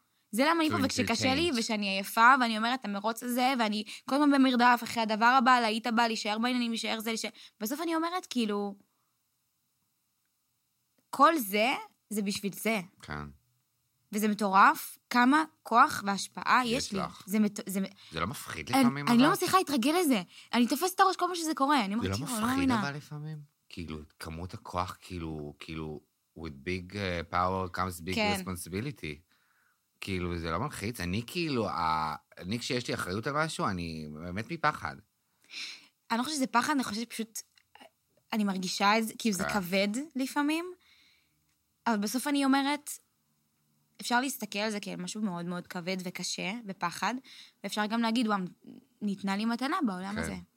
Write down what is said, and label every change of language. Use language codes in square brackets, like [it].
[he] זה למה אני פה, וכשקשה לי, ושאני עייפה, ואני אומרת, המרוץ הזה, ואני כל הזמן במרדף, אחרי הדבר הבא, להיית הבא, להישאר בעניינים, להישאר זה, בסוף אני אומרת, כאילו, כל זה, זה בשביל זה. כן. וזה מטורף, כמה כוח והשפעה יש לי. זה לא מפחיד לפעמים, אני לא מצליחה להתרגל לזה. אני תופס את הראש כל מה שזה קורה. זה לא מפחיד אבל לפעמים. כאילו, כמות הכוח, כאילו, [en] with big power comes big responsibility. [he] כאילו, זה לא מלחיץ. אני כאילו, אני כשיש לי אחריות על משהו, אני באמת מפחד. אני חושב שזה פחד, אני חושב שפשוט, אני מרגישה את זה, כאילו זה כבד לפעמים, אבל בסוף אני אומרת, אפשר להסתכל על זה כאילו משהו מאוד מאוד כבד וקשה ופחד, ואפשר גם להגיד, וואו, ניתנה לי מתנה בעולם הזה.